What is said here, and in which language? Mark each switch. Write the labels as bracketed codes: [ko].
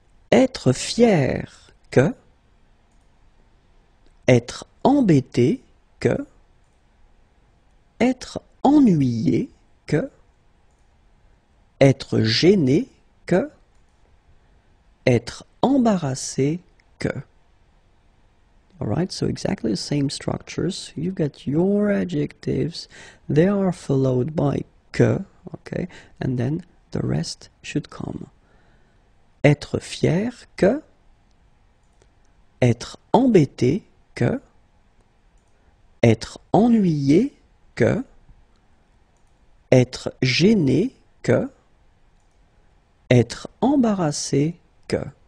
[fr] Être fier que, être embêté que, être ennuyé que, être gêné que, être embarrassé que. [en] Alright, so exactly the same structures. You've got your adjectives, they are followed by que, okay, and then the rest should come. [fr] Être fier que, être embêté que, être ennuyé que, être gêné que, être embarrassé que.